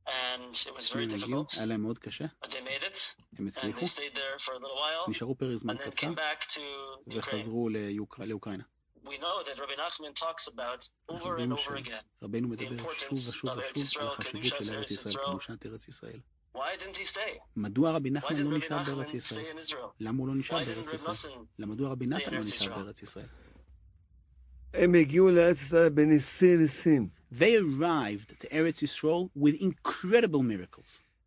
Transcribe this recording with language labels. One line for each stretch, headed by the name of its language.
English: And it was very difficult. But they made it. And they stayed there for a little while. And then came back to Ukraine. We know that Rabbi Nachman talks about over and over again the importance of Eretz Yisrael, Kedushas Eretz Yisrael. Why didn't he stay?
Hebrew: מדוע רבי נחמן לא נשאר בארץ ישראל? למה הוא לא נשאר בארץ ישראל? למדוע רבי נתן לא נשאר בארץ ישראל? הם הגיעו לארץ ישראל בניסי ניסים.
English: They arrived to Eretz Yisrael with incredible miracles.